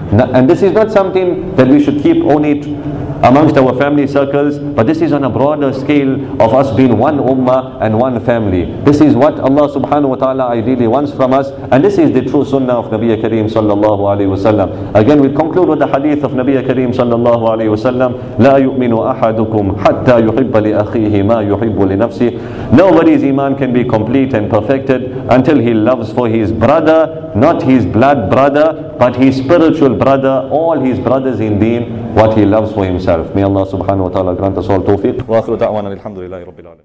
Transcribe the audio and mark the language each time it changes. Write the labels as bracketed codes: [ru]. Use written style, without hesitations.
[en] And this is not something that we should keep only amongst our family circles, but this is on a broader scale of us being one ummah and one family. This is what Allah subhanahu wa ta'ala ideally wants from us, and this is the true sunnah of Nabiya Kareem sallallahu alayhi wa sallam. Again, we conclude with the hadith of Nabiya Kareem sallallahu alayhi wa sallam. [ar] لا يؤمن أحدكم حتى يحب لأخيه ما يحب لنفسه. [en] Nobody's iman can be complete and perfected until he loves for his brother, not his blood brother, but his spiritual brother, all his brothers in deen, what he loves for himself. May Allah subhanahu wa ta'ala grant us all tawfiq. [ar] Wa akhiru da'wana alhamdulillahi rabbil alamin.